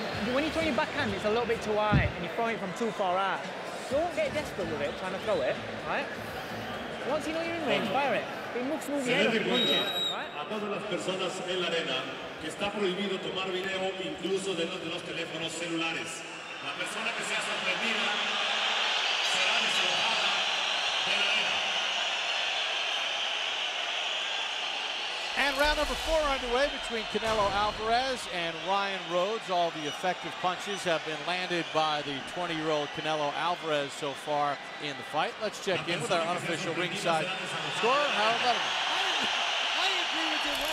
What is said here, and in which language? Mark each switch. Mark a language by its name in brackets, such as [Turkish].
[English] When you throw your backhand, it's a little bit too high, and you're throwing it from too far out. Don't get desperate with it, trying to throw it, right? Once you know you're in range, fire it. It moves move your head if you punch it, right? [Spanish] A todas las personas en la arena, que está prohibido tomar video incluso dentro de los teléfonos celulares. La persona que sea sorprendida será deslocada de la arena. [English] And round number four underway between Canelo Alvarez and Ryan Rhodes. All the effective punches have been landed by the 20-year-old Canelo Alvarez so far in the fight. Let's check in with our unofficial ringside scorer, Harold Letterman.